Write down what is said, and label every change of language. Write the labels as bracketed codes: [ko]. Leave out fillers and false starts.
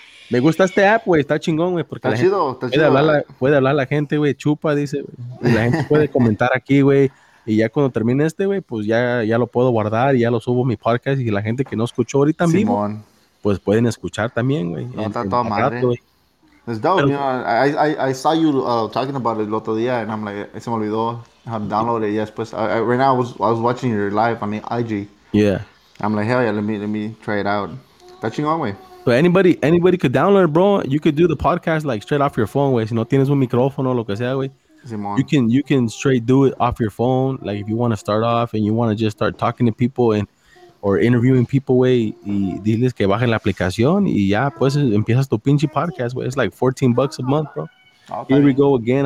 [es] me gusta este app, güey, está chingón, güey. Está chido, está chido. Puede hablar la gente, güey, chupa, dice, güey. La gente puede comentar aquí, güey, Y ya cuando termine este, güey, pues ya lo puedo guardar y ya lo subo a mi podcast. Y la gente que no escuchó ahorita en vivo, pues pueden escuchar también, güey. No, está toda madre. Rato, güey. [en] It's dope, pero, you know, I saw you talking about it [es] el otro día, [en] and I'm like, [es] se me olvidó, [en] I'll download it, yes, pues, right now I was watching your live on IG. Yeah. I'm like, hell yeah, let me try it out. Touching on, way. So anybody could download it, bro. You could do the podcast, like, straight off your phone, güey. [es] Si no tienes un micrófono, lo que sea, güey. Simón. [en] You can straight do it off your phone, like, if you want to start off, and you want to just start talking to people, and or interviewing people, way, [es] y diles que bajen la aplicación y ya, pues, empiezas tu pinche podcast, [en] way. It's like $14 a month, bro. Okay. Here we go again.